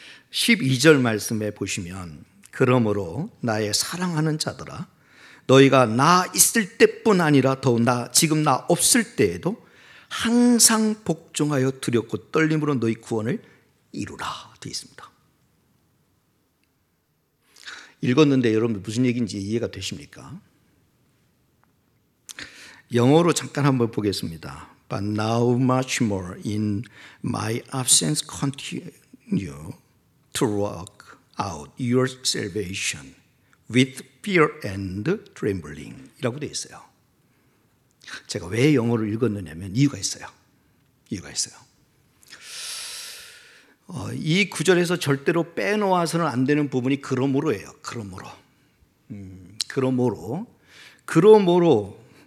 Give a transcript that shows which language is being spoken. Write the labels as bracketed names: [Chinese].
[Korean] 12절 말씀에 보시면, 그러므로 나의 사랑하는 자들아, 너희가 나 있을 때뿐 아니라 더욱 나, 지금 나 없을 때에도 항상 복종하여 두렵고 떨림으로 너희 구원을 이루라 되어 있습니다. 읽었는데 여러분 무슨 얘기인지 이해가 되십니까? 영어로 잠깐 한번 보겠습니다. [English] But now much more in my absence continue to work out your salvation with fear and trembling [Korean] 이라고 되어 있어요. 제가 왜 영어를 읽었느냐면 이유가 있어요. 이유가 있어요. 이 구절에서 절대로 빼놓아서는 안 되는 부분이 그러므로예요. 그러므로. 그러므로. 그러므로.